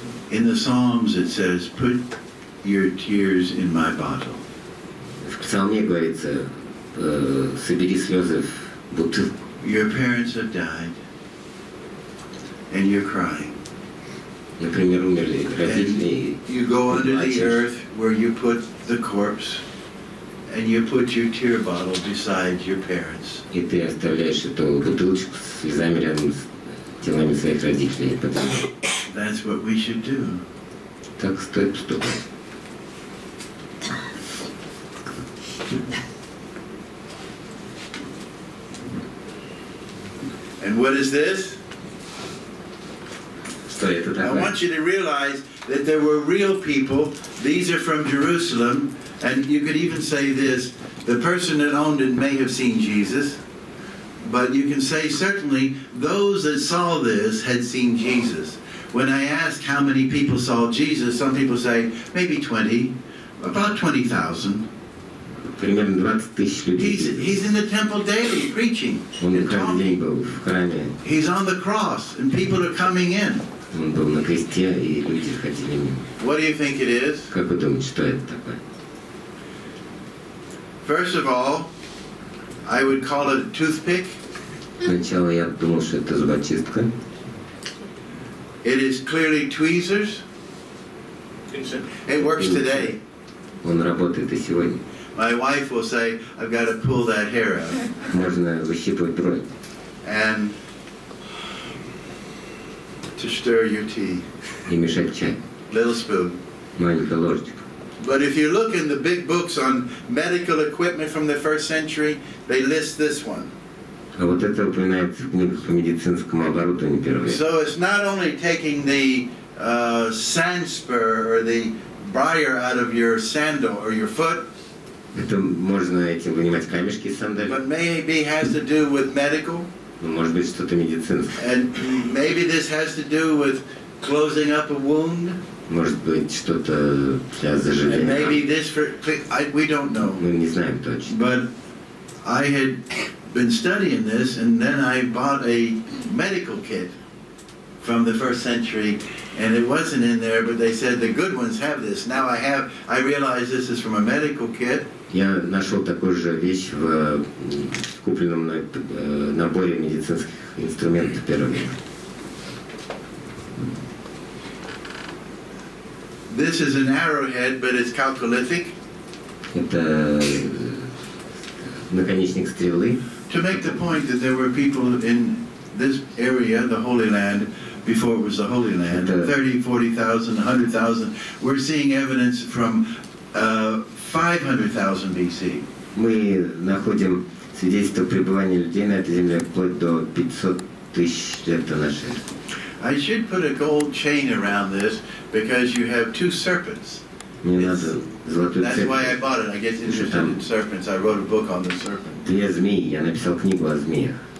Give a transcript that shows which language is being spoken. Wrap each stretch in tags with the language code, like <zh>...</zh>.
<en>In the Psalms it says, put your tears in my bottle.</en> <ru>В Псалме говорится, собери слезы в бутылку.</ru> <en>Your parents have died, and you're crying.</en> <ru>Например, умерли родители.</ru> <en>You go under the earth where you put the corpse, and you put your tear bottle beside your parents.</en> <ru>И ты оставляешь эту бутылочку с слезами рядом с телами своих родителей.</ru> <en>That's what we should do.</en> <ru>Так стоит поступать.</ru> <en>And what is this?</en> <ru>Что это такое?</ru> <en>I want you to realize that there were real people. These are from Jerusalem. And you could even say this. The person that owned it may have seen Jesus. But you can say certainly those that saw this had seen Jesus. When I ask how many people saw Jesus, some people say maybe 20, about 20,000.</en> <ru>Примерно 20,000 людей.</ru> <en>He's in the temple daily preaching.</en> <ru>Он каждый день был в храме.</ru> <en>He's on the cross and people are coming in.</en> <ru>Он был на кресте и люди входили в него.</ru> <en>What do you think it is?</en> <ru>Как вы думаете, что это такое?</ru> <en>First of all, I would call it a toothpick.</en> <ru>Сначала я думал, что это зубочистка.</ru> <en>It is clearly tweezers. It works today.</en> <ru>Он работает и сегодня.</ru> <en>My wife will say, "I've got to pull that hair out."</en> <ru>Можно выщипывать брови.</ru> <en>And to stir your tea.</en> <ru>И мешать чай.</ru> <en>Little spoon.</en> <ru>Маленькая ложечка.</ru> <en>But if you look in the big books on medical equipment from the first century, they list this one.</en> <ru>А вот это упоминается в книгах по медицинскому оборудованию первое.</ru> <en>So it's not only taking the sand spur or the briar out of your sandal or your foot.</en> <ru>Это можно этим вынимать камешки из сандалии.</ru> <en>But maybe has to do with medical.</en> <ru>Ну, может быть, что-то медицинское.</ru> <en>And maybe this has to do with closing up a wound.</en> <ru>Может быть, что-то для заживления.</ru> <en>And maybe this for we don't know.</en> <ru>Мы не знаем точно.</ru> <en>But I had been studying this, and then I bought a medical kit from the first century, and it wasn't in there, but they said the good ones have this. Now I have, I realize this is from a medical kit.</en> <ru>Я нашел такую же вещь в купленном наборе медицинских инструментов первыми.</ru> <en>This is an arrowhead, but it's calcolithic.</en> <ru>Это наконечник стрелы.</ru> <en>To make the point that there were people in this area, the Holy Land, before it was the Holy Land, 30, 40,000, 100,000, we're seeing evidence from 500,000 BC.</en> <ru>Мы находим свидетельство пребывания людей на этой земле вплоть до 500 тысяч лет до нашей эры.</ru> <en>I should put a gold chain around this because you have two serpents. That's why I bought it. I get interested in serpents. I wrote a book on the serpent.</en> <ru>Две змеи. Я написал книгу о змеях.</ru>